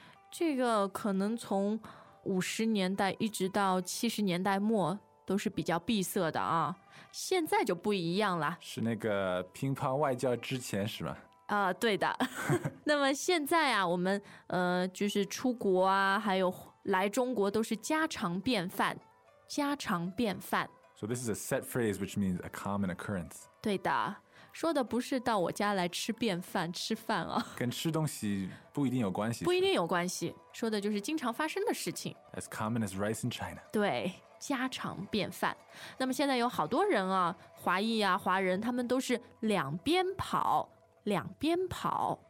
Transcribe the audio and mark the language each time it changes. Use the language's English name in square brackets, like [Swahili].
[Chinese] 这个可能从50年代一直到70年代末都是比较闭塞的啊，现在就不一样了。是那个乒乓外交之前是吗？对的。那么现在啊，我们就是出国啊，还有来中国都是家常便饭，家常便饭。 [English] So this is a set phrase which means a common occurrence. [Chinese] 对的，说的不是到我家来吃便饭吃饭啊，跟吃东西不一定有关系，不一定有关系，说的就是经常发生的事情。 [English] As common as rice in China. [Chinese] 对，家常便饭。那么现在有好多人啊，华裔啊，华人，他们都是两边跑，两边跑。